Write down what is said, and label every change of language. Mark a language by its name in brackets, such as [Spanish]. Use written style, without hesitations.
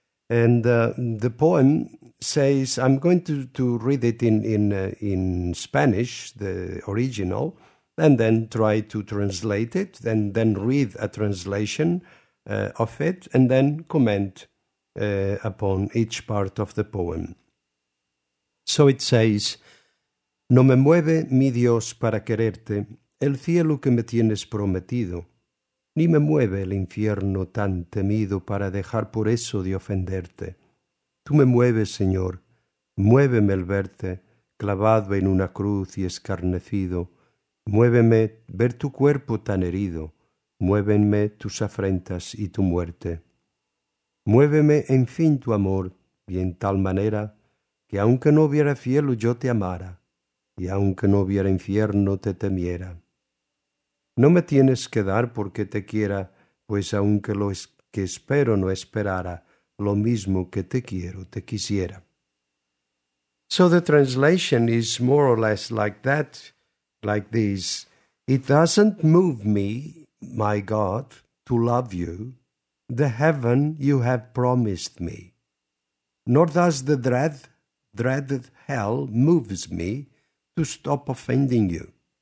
[English] And the poem says, I'm going to read it in Spanish, the original, and then try to translate it, and then read a translation of it, and then comment upon each part of the poem. [Spanish] So it says, No me mueve mi Dios para quererte, el cielo que me tienes prometido, ni me mueve el infierno tan temido para dejar por eso de ofenderte. Tú me mueves, Señor, muéveme el verte, clavado en una cruz y escarnecido, muéveme ver tu cuerpo tan herido, muéveme tus afrentas y tu muerte. Muéveme, en fin, tu amor, y en tal manera que aunque no hubiera cielo yo te amara, y aunque no hubiera infierno te temiera. No me tienes que dar porque te quiera, pues aunque lo que espero no esperara, lo mismo que te quiero te quisiera. [English] So the translation is more or less like that, like this. It doesn't move me, my God, to love you, the heaven you have promised me. Nor does the dread hell moves me to stop offending you.